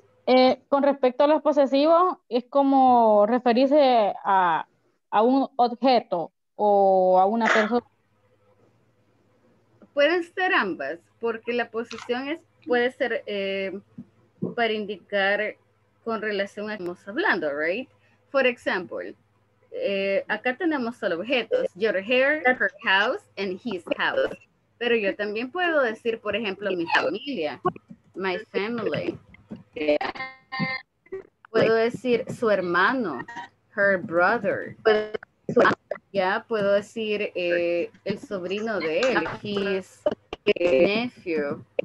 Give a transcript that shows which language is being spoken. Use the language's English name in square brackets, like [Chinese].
[Spanish] Con respecto a los posesivos, es como referirse a un objeto o a una persona. Pueden ser ambas, porque la posesión es, puede ser para indicar con relación a lo que estamos hablando, [English] right? For example, [Spanish] acá tenemos solo objetos, [English] your hair, her house, and his house. [Spanish] Pero yo también puedo decir, por ejemplo, mi familia, [English] my family. [Spanish] Puedo decir su hermano, [English] her brother. Yeah, [Spanish] puedo decir el sobrino de él, [English] his nephew.